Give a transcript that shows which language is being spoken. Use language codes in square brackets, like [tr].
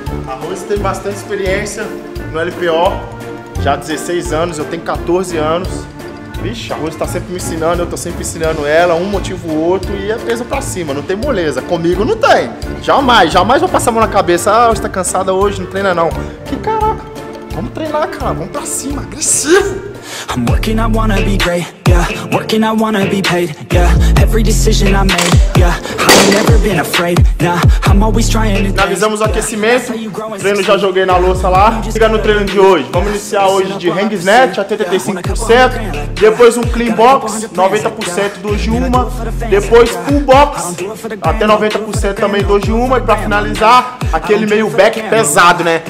[pt] A Rose tem bastante experiência no LPO. Já há 16 anos, eu tenho 14 anos. Vixe, a Rose tá sempre me ensinando, eu tô sempre ensinando ela, um motivo ou outro, e é peso pra cima, não tem moleza. Comigo não tem. Jamais, jamais vou passar a mão na cabeça. Ah, você tá cansada hoje, não treina não. Que caraca. Vamos treinar, cara. Vamos pra cima. Agressivo. [en] I'm working, I wanna be great, yeah. Working, I wanna be paid, yeah. Every decision I made, yeah. I've never been afraid, nah. I'm always trying to. [pt] Finalizamos o aquecimento. Treino já joguei na louça lá. Liga no treino de hoje. Vamos iniciar hoje de hang snatch, até 85%. Depois um clean box, 90% 2 de 1. Depois pull box, até 90% também 2 de 1. E pra finalizar, aquele meio back pesado, né?